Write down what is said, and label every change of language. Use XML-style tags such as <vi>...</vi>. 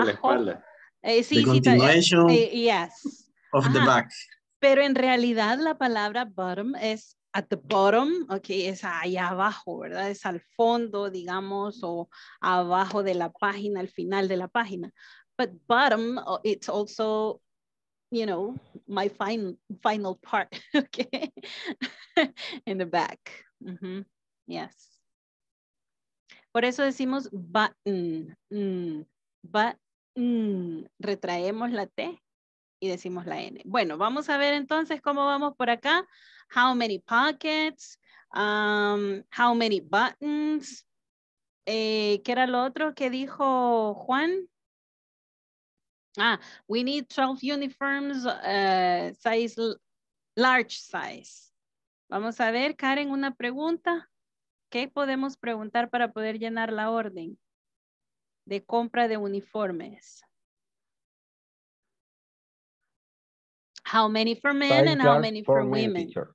<es>De la espalda. Sí,</es> <en>the continuation yes. Of ajá. The back.</en> <es>Pero en realidad la palabra bottom es at the bottom, okay, es allá abajo, ¿verdad? Es al fondo, digamos, o abajo de la página, al final de la página.</es> <en>But bottom, it's also, you know, my final part, okay? In the back. Mm-hmm. Yes.</en> <es>Por eso decimos button. Mm. Button. Retraemos la T y decimos la N. Bueno, vamos a ver entonces cómo vamos por acá.</es> <en>How many pockets? How many buttons?</en> <es>¿Qué era lo otro que dijo Juan? Ah,</es> <en>we need 12 uniforms, size, large size.</en> <es>Vamos a ver, Karen, una pregunta. ¿Qué podemos preguntar para poder llenar la orden de compra de uniformes?</es> <en>How many for men and how many for women?</en>